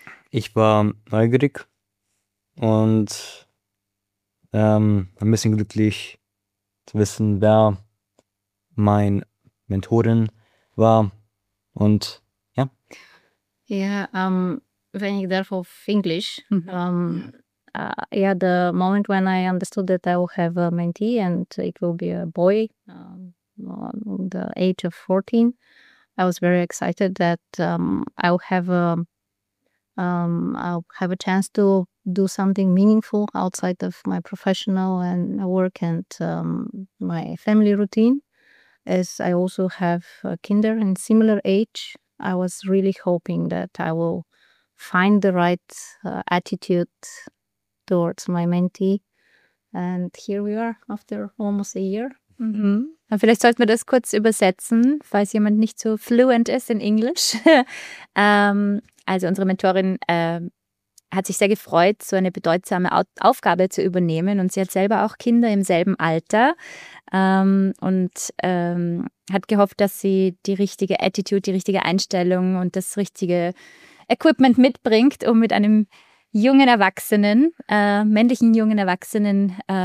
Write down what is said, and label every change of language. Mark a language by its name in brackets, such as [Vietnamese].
[German] Ich war neugierig und ein bisschen glücklich, zu wissen, wer mein Mentorin war und ja. Ja, wenn ich darf auf Englisch. [English] The moment when I understood that I will have a mentee and it will be a boy on the age of 14, I was very excited that I'll have a chance to do something meaningful outside of my professional and work and my family routine. As I also have a kinder in similar age, I was really hoping that I will find the right attitude towards my mentee. And here we are after almost a year. Mm-hmm. [German] Und vielleicht sollten wir das kurz übersetzen, falls jemand nicht so fluent ist in Englisch. Also unsere Mentorin hat sich sehr gefreut, so eine bedeutsame Aufgabe zu übernehmen und sie hat selber auch Kinder im selben Alter und hat gehofft, dass sie die richtige Attitude, die richtige Einstellung und das richtige Equipment mitbringt, um mit einem jungen Erwachsenen, männlichen jungen Erwachsenen,